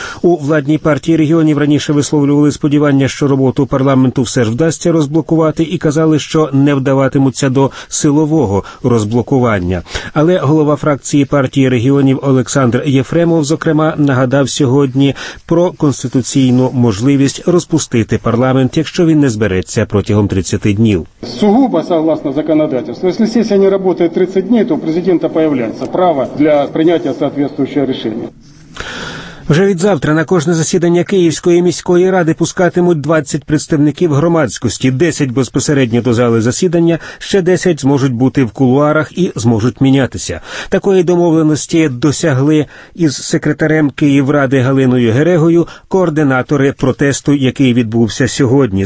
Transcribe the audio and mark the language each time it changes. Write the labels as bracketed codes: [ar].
[uk] У владній партії регіонів раніше висловлювали сподівання, що роботу парламенту все ж вдасться розблокувати, і казали, що не вдаватимуться до силового розблокування. Але голова фракції партії регіонів Олександр Єфремов, зокрема, нагадав сьогодні про конституційну можливість розпустити парламент, якщо він не збереться протягом 30 днів. [ru] Сугубо, согласно законодательству, если сессия не работает 30 дней, то у президента появляется право для принятия соответствующего решения. [uk] Вже від завтра на кожне засідання Київської міської ради пускатимуть 20 представників громадськості, 10 безпосередньо до зали засідання, ще 10 зможуть бути в кулуарах і зможуть мінятися. Такої домовленості досягли із секретарем Київради Галиною Герегою координатори протесту, який відбувся сьогодні.